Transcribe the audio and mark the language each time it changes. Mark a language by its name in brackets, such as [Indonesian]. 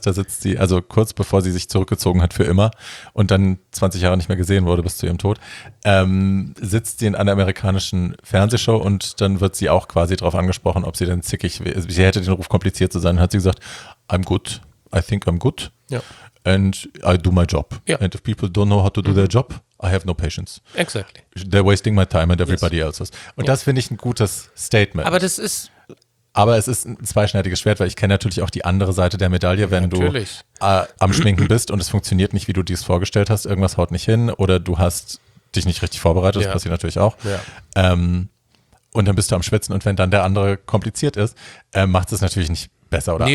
[German] Da sitzt sie, also kurz bevor sie sich zurückgezogen hat für immer und dann 20 Jahre nicht mehr gesehen wurde bis zu ihrem Tod, sitzt sie in einer amerikanischen Fernsehshow und dann wird sie auch quasi darauf angesprochen, ob sie denn zickig, sie hätte den Ruf kompliziert zu sein, hat sie gesagt, [English] I'm good, I think I'm good, [German] ja. [English] and I do my job. [German] Ja. [English] And if people don't know how to do their job, I have no patience. Exactly. They're wasting my time and everybody yes. [German] else's. Und ja. das finde ich ein gutes Statement. Aber das ist... Aber es ist ein zweischneidiges Schwert, weil ich kenne natürlich auch die andere Seite der Medaille, wenn natürlich. Du am Schminken bist und es funktioniert nicht, wie du dir es vorgestellt hast, irgendwas haut nicht hin oder du hast dich nicht richtig vorbereitet, das ja. passiert natürlich auch. Ja. Und dann bist du am Schwitzen und wenn dann der andere kompliziert ist, macht es natürlich nicht besser oder